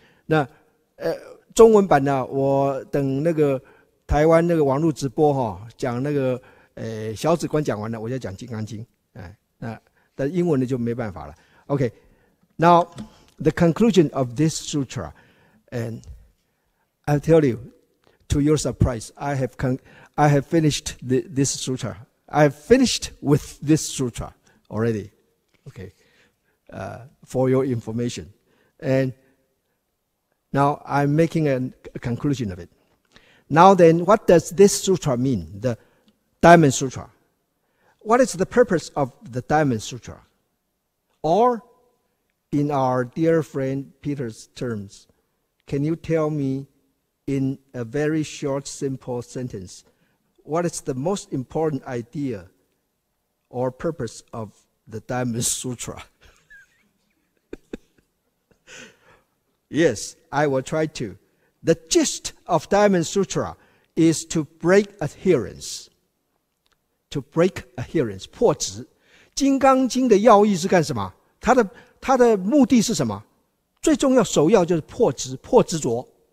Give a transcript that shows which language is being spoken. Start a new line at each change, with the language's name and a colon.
Chinese: 那中文版呢，我等那个台湾那个网络直播哈，讲那个小止观讲完了，我就讲金刚经。哎，那但英文的就没办法了。
English: OK, now the conclusion of this sutra, and I'll tell you, to your surprise, I have finished this sutra. I have finished with this sutra already. Okay, for your information. And now I'm making a conclusion of it. Now then, what does this sutra mean? The Diamond Sutra. What is the purpose of the Diamond Sutra? Or, in our dear friend Peter's terms, can you tell me in a very short, simple sentence, what is the most important idea or purpose of the Diamond Sutra? Yes, I will try to. The gist of Diamond Sutra is to break adherence. To break adherence.
Chinese: 破执。金刚经的要义是干什么？它的目的是什么？最重要首要就是破执，破执着。